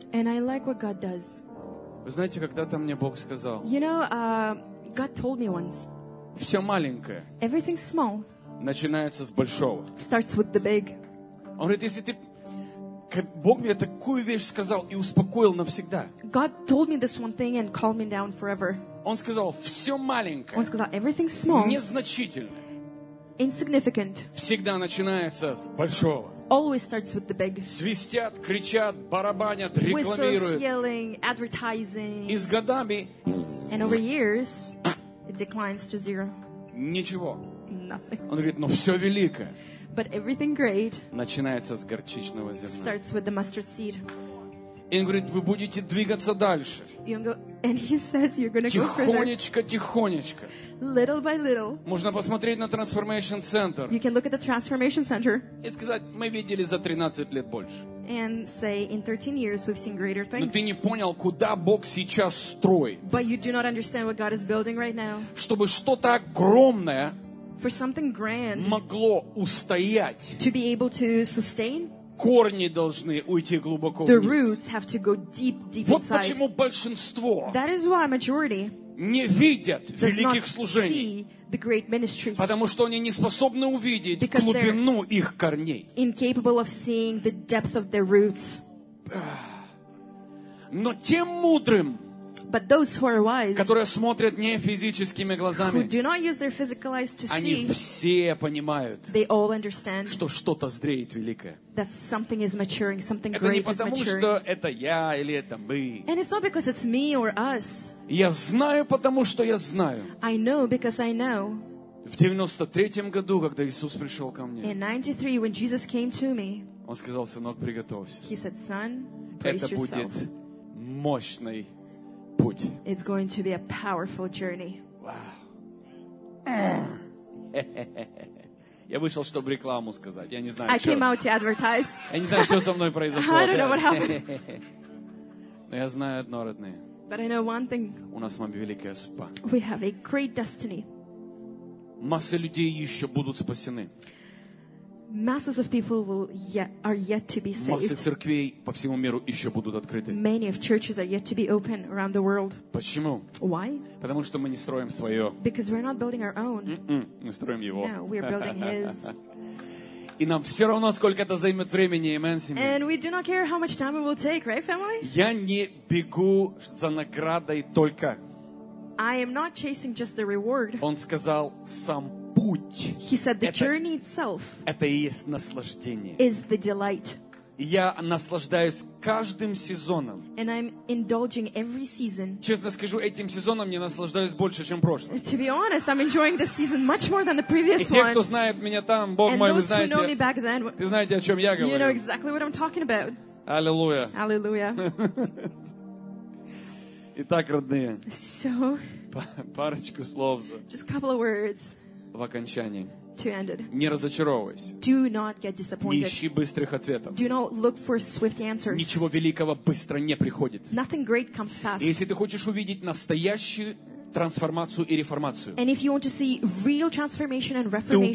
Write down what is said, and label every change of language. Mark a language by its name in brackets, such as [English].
[English] And I like what God does. [Russian] Вы знаете, когда-то мне Бог сказал. [English] You know, God told me once. [Russian] Все маленькое. [English] Everything small. [Russian] Начинается с большого. [English] Starts with the big. [Russian] Он говорит, если ты... Бог мне такую вещь сказал и успокоил навсегда. [English] God told me this one thing and calmed me down forever. [Russian] Он сказал, все маленькое. Он сказал, [English] everything small. [Russian] Незначительное. [English] Insignificant. [Russian] Всегда начинается с большого. [English] Always starts with the big. [Russian] Свистят, кричат, барабанят, рекламируют. [English] Whistles, yelling, advertising. [Russian] И с годами... [English] And over years, it declines to zero. [Russian] Ничего. [English] Nothing. [Russian] Он говорит, но все великое. [English] But everything great [Russian] начинается с горчичного зерна. [English] Starts with the mustard seed. [Russian] И он говорит, вы будете двигаться дальше. [English] And he says you're going to go further. [Russian] Тихонечко, тихонечко. [English] Little by little. [Russian] Можно посмотреть на Transformation Center. [English] You can look at the Transformation Center. [Russian] И сказать, мы видели за 13 лет больше. [English] and say, in 13 years we've seen greater things. [Russian] Но ты не понял, куда Бог сейчас строит. [English] But you do not understand what God is building right now. [Russian] Чтобы что-то огромное [English] for something grand [Russian] могло устоять. [English] To be able to sustain. [Russian] Корни должны уйти глубоко вниз. [English] The roots have to go deep, deep [Russian] Вот почему большинство [English] that is why majority [Russian] не видят великих служений. [English] Does not see the great ministries. [Russian] Потому что они не способны увидеть [English] because [Russian] глубину их корней. [English] Incapable of seeing the depth of their roots. [Russian] Но тем мудрым, [English] but those who are wise, [Russian] которые смотрят не физическими глазами, [English] who do not use their physical eyes to [Russian] они [English] see, [Russian] все понимают, [English] they all understand [Russian] что что-то зреет великое. [English] That something is maturing, something [Russian] это [English] great [Russian] не потому, [English] is maturing. [Russian] Что это я или это мы. [English] And it's not because it's me or us. [Russian] Я знаю, потому что я знаю. [English] I know because I know. [Russian] В 93-м году, когда Иисус пришел ко мне, [English] in 93, when Jesus came to me, [Russian] Он сказал, сынок, приготовься. [English] He said, son, brace yourself. [Russian] Это будет мощный путь. [English] It's going to be a powerful journey. Wow. [Russian] Я вышел, чтобы рекламу сказать. Я не знаю, [English] I came out to advertise. [Russian] Я не знаю, что со мной произошло. [English] I don't know what happened. [Russian] Но я знаю одно, родные. [English] But I know one thing. [Russian] У нас с вами великая судьба. [English] We have a great destiny. [Russian] Масса людей еще будут спасены. [English] Masses of people will yet, are yet to be saved. [Russian] Массы церквей по всему миру еще будут открыты. [English] Many of churches are yet to be open around the world. [Russian] Почему? [English] Why? [Russian] Потому что мы не строим свое. [English] Because we're not building our own. [Russian] Мы строим его. [English] No, we're building his. [Russian] И нам все равно, сколько это займет времени, amen, семья. [English] And we do not care how much time it will take, right, family? [Russian] Я не бегу за наградой только. [English] I am not chasing just the reward. [Russian] Он сказал сам путь. [English] He said the journey itself. [Russian] Это и есть наслаждение. [English] Is the delight. [Russian] Я наслаждаюсь каждым сезоном. [English] And I'm indulging every season. [Russian] Честно скажу, этим сезоном я наслаждаюсь больше, чем прошлым. [English] To be honest, I'm enjoying this season much more than the previous one. [Russian] И те, кто знает меня там, Бог мой, вы знаете, [English] know me back then, [Russian] вы знаете, о чем я говорю. [English] You know exactly what I'm talking about. [Russian] Аллилуйя. Аллилуйя. Итак, родные. [English] So. [Russian] Парочку слов за. [English] Just a couple of words. [Russian] В окончании. [English] To end it. [Russian] Не разочаровывайся. [English] Do not get disappointed. [Russian] Не ищи быстрых ответов. [English] Do not look for swift answers. [Russian] Ничего великого быстро не приходит. [English] Nothing great comes fast. [Russian] И если ты хочешь увидеть настоящую трансформацию и реформацию, [English] and if you want to see real transformation and reformation,